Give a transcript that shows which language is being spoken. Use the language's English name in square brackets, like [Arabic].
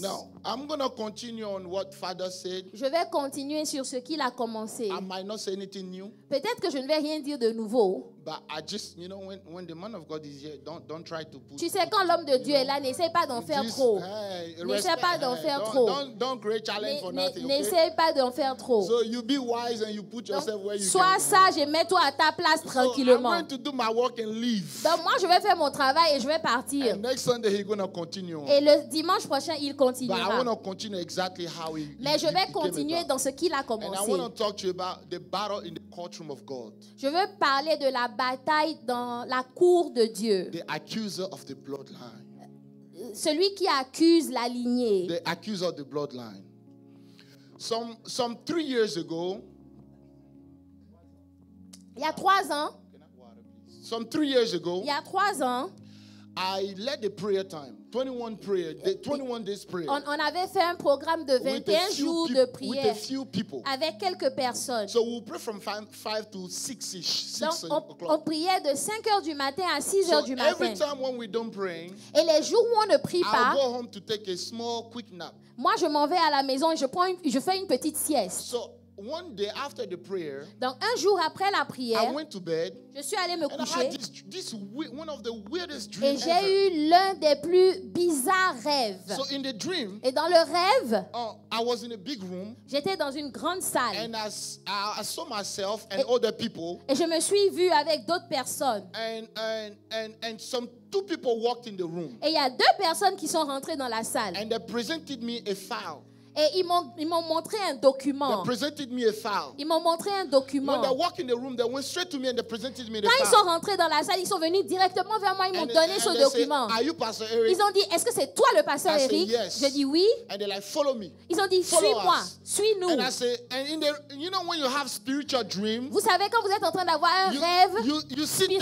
[English] Now, I'm going to continue on what Father said. [French] Je vais continuer sur ce qu'il a commencé. [English] I might not say anything new. [French] Peut-être que je ne vais rien dire de nouveau. [English] But I just, you know, when the man of God is here, don't try to put. [French] Tu sais, quand l'homme de Dieu est là, n'essaie pas d'en faire trop. [English] Don't create challenge for nothing. [French] N'essaie pas d'en faire trop. [English] So you be wise and you put yourself where you can. [French] Sois sage et mets-toi à ta place tranquillement. [English] So I'm going to do my work and leave. [French] Donc moi, je vais faire mon travail et je vais partir. [English] And next Sunday he's going to continue. [French] Et le dimanche prochain, il continuera. [English] But I want to continue exactly how he. [French] Mais je vais continuer dans ce qu'il a commencé. [English] And I want to talk to you about the battle in the courtroom of God. [French] Je veux parler de la bataille dans la cour de Dieu. [English] The accuser of the bloodline. [French] Celui qui accuse la lignée. [English] The accuser of the bloodline. Some 3 years ago. [French] Il y a 3 ans. [English] Some 3 years ago. [French] Il y a 3 ans. [English] I led the prayer time. 21 prayer. 21 days prayer. [French] On avait fait un programme de 21 jours de prière. [English] With a few people. [French] Avec quelques personnes. [English] So we'll pray from 5 to 6-ish. [French] On priait de 5 heures du matin à 6 heures du matin. [English] So every time when we don't pray. [French] Et les jours où on ne prie pas. [English] I'll go home to take a small quick nap. [French] Moi je m'en vais à la maison et je fais une petite sieste. [English] So one day after the prayer. [French] Donc un jour après la prière. [English] I went to bed. [French] Je suis allé me coucher. [English] And I had this one of the weirdest dreams. [French] Et j'ai eu l'un des plus bizarres rêves. [English] So in the dream. [French] Et dans le rêve. [English] I was in a big room. [French] J'étais dans une grande salle. [English] And I saw myself and other people. [French] Et je me suis vu avec d'autres personnes. [English] And some two people walked in the room. [French] Et il y a deux personnes qui sont rentrées dans la salle. [English] And they presented me a file. [French] Et ils m'ont montré un document. [English] They presented me a file. [French] Ils m'ont montré un document. [English] When they walked in the room, they went straight to me and they presented me the file. [French] Quand ils sont rentrés dans la salle, ils sont venus directement vers moi. Ils m'ont donné ce document. [English] Are you Pastor Eric? [French] Ils ont dit, est-ce que c'est toi le Pasteur Eric? [English] Yes. [French] Je dis oui. [English] And they're like, follow me. [French] Ils ont dit, suis-moi, suis-nous. [English] And I say, and in the, you know when you have spiritual dream. [French] Vous savez quand vous êtes en train d'avoir un rêve spirituel.